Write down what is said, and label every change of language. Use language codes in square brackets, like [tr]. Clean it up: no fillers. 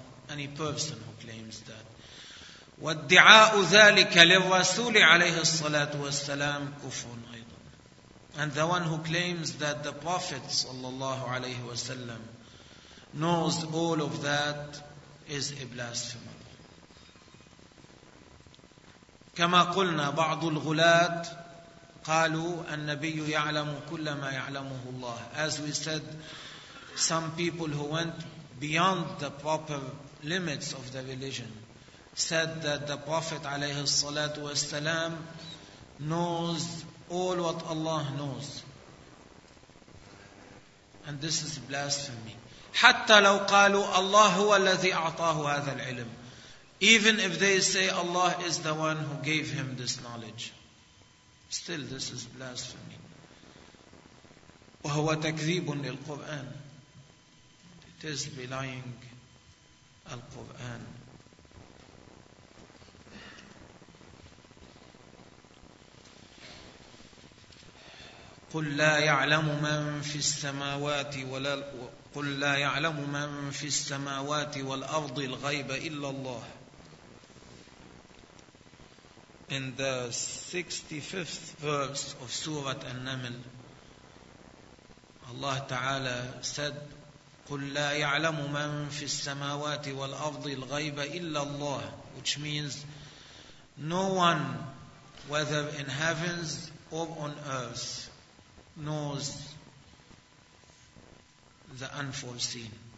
[en] Any person who claims that. [ar] وادعاء ذلك للرسول عليه الصلاة والسلام كفر أيضا. [en] And the one who claims that the Prophet [ar] صلى الله عليه وسلم [en] knows all of that is a blasphemer. [ar] كما قلنا بعض الغلاة قالوا النبي يعلم كل ما يعلمه الله. [en] As we said, some people who went beyond the proper limits of the religion said that the Prophet [ar] عليه الصلاة والسلام [en] knows all what Allah knows. And this is blasphemy. [ar] حتى لو قالوا الله هو الذي أعطاه هذا العلم. [en] Even if they say Allah is the one who gave him this knowledge, still this is blasphemy. [ar] وهو تكذيب للقرآن. [en] It is belying القرآن. [ar] قل لا يعلم من في السماوات ولا قل لا يعلم من في السماوات والأرض الغيب إلا الله. [en] In the 65th verse of Surah An-Naml, Allah Ta'ala said, [ar] قُلْ لَا يَعْلَمُ مَنْ فِي السَّمَاوَاتِ وَالْأَرْضِ الْغَيْبَ إِلَّا اللَّهِ, [en] which means, no one, whether in heavens or on earth, knows the unforeseen.